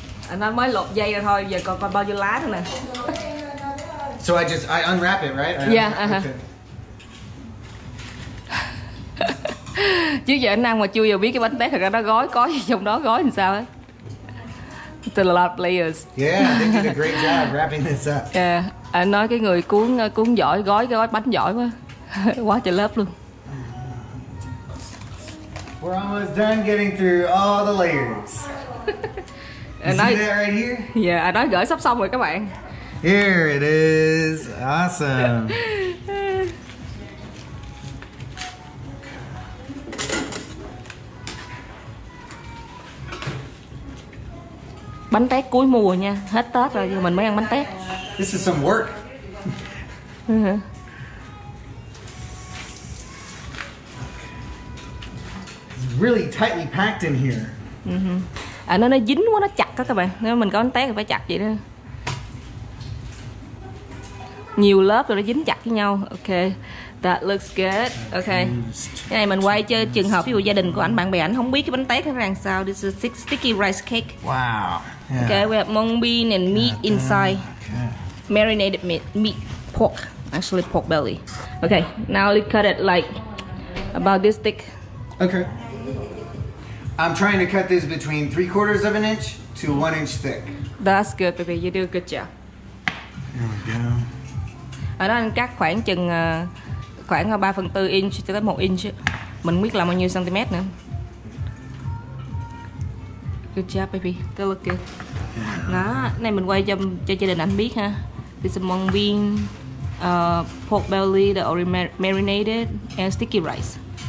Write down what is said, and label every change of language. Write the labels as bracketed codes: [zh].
[en] And I'm [vi] mới lột dây rồi thôi, giờ còn bao nhiêu lá nữa nè. [en] So I unwrap it, right? Yeah, uh-huh. Okay. [vi] Chứ giờ anh ăn mà chưa giờ biết cái bánh tét thật ra nó gói có gì trong đó gói làm sao ấy. [en] It's a lot of layers. Yeah, they did a great job wrapping this up. [vi] Yeah, anh nói cái người cuốn giỏi, gói cái bánh giỏi quá. Quá trời lớp luôn. [en] We're almost done getting through all the layers. You see that right here? [vi] Yeah, anh nói gửi sắp xong rồi các bạn. [en] Here it is. Awesome. [vi] Bánh tét cuối mùa nha, hết Tết rồi mình mới ăn bánh tét. [en] This is some work. It's really tightly packed in here. [vi] À nó dính quá, nó chặt đó các bạn. Nếu mình có bánh tét thì phải chặt vậy đó. Nhiều lớp rồi nó dính chặt với nhau. [en] Okay, that looks good. [vi] Okay, cái này mình quay cho trường hợp ví dụ gia đình của anh, bạn bè anh không biết cái bánh tét nó làm sao. [en] This is sticky rice cake. Wow. Yeah. Okay, we have mung bean and meat inside. Okay. Marinated meat, pork, actually pork belly. Okay, now we cut it like about this thick. Okay. I'm trying to cut this between 3/4 inch to 1 inch thick. That's good, baby. You do a good job. Here we go. [vi] Ở đó anh cắt khoảng chừng 3/4 inch cho tới 1 inch. Mình biết là bao nhiêu centimet nữa. [en] Good job, baby. They look good. [vi] Đó, này mình quay cho gia đình anh biết ha. [en] This is mung bean, pork belly that already marinated, and sticky rice.